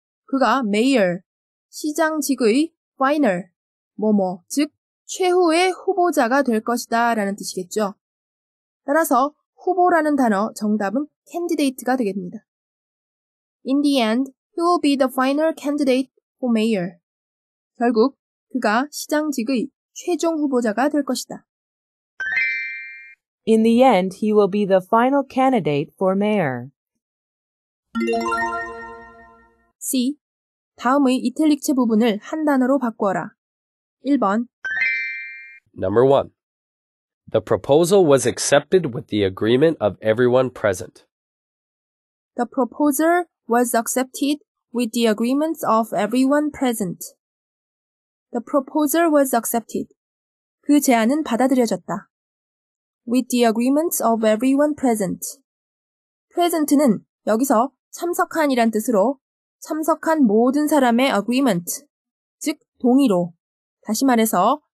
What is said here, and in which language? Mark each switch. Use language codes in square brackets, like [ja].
[ko] 그가 mayor, 시장직의 final, 뭐뭐, 즉 최후의 후보자가 될 것이다 라는 뜻이겠죠. 따라서 후보라는 단어 정답은 candidate가 되겠습니다. [en] In the end, he will be the final candidate for mayor. [ko] 결국 그가 시장직의 최종 후보자가 될 것이다. [en] In the end, he will be the final candidate for mayor. C. [ko] 다음의 이탤릭체 부분을 한 단어로 바꾸어라. 1번 [en] Number 1. The proposal was accepted with the agreement of everyone present. The proposal was accepted with the agreements of everyone present. The proposal was accepted. [ko] 그 제안은 받아들여졌다. [en] With the agreements of everyone present. [ko] Present는 여기서 참석한이란 뜻으로 참석한 모든 사람의 agreement, 즉 동의로 다시 말해서